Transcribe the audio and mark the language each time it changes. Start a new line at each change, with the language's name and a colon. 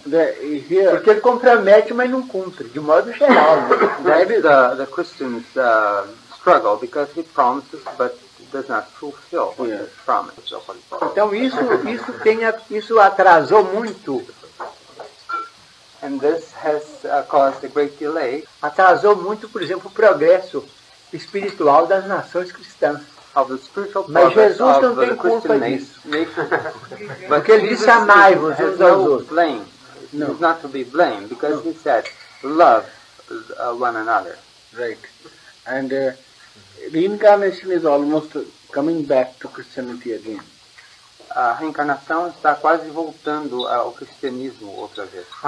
Portuguese: Porque ele compromete, mas não cumpre, de modo geral.
English: That is the Christian's struggle, because he promises, but does not fulfill what he promises.
Portuguese: Então isso atrasou muito.
English: And this has caused a great delay.
Portuguese: Atrasou muito, por exemplo, o progresso espiritual das nações cristãs.
English: Of the spiritual.
Portuguese: Mas Jesus não tem culpa disso. Porque ele disse amai-vos uns aos outros.
English: Blame. No. He's not to be blamed, because he said, love one another. Right. And reincarnation is almost coming back to Christianity again.
Portuguese: A reencarnação está quase voltando ao cristianismo outra vez.